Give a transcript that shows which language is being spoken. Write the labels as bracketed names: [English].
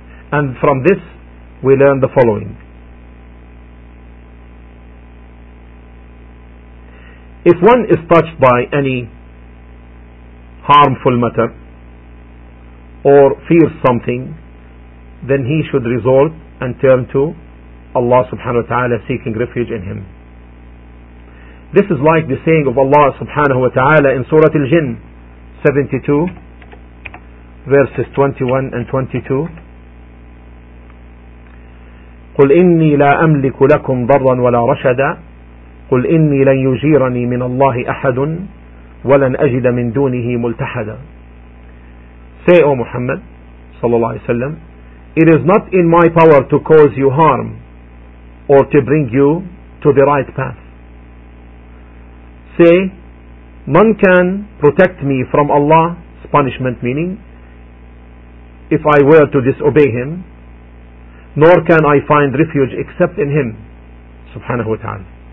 [English] And from this we learn the following: if one is touched by any harmful matter or fears something, then he should resort and turn to Allah subhanahu wa ta'ala, seeking refuge in him. This is like the saying of Allah subhanahu wa ta'ala in Surah Al-Jinn 72 verses 21 and 22, [Arabic] قل إني لا أملك لكم ضرا ولا رشدا قل إني لن يجيرني من الله أحد ولن أجد من دونه ملتحدا. [English] Say, O Muhammad, sallallahu alayhi wa sallam, it is not in my power to cause you harm or to bring you to the right path. Say, none can protect me from Allah's punishment, meaning if I were to disobey him, nor can I find refuge except in him, subhanahu wa ta'ala.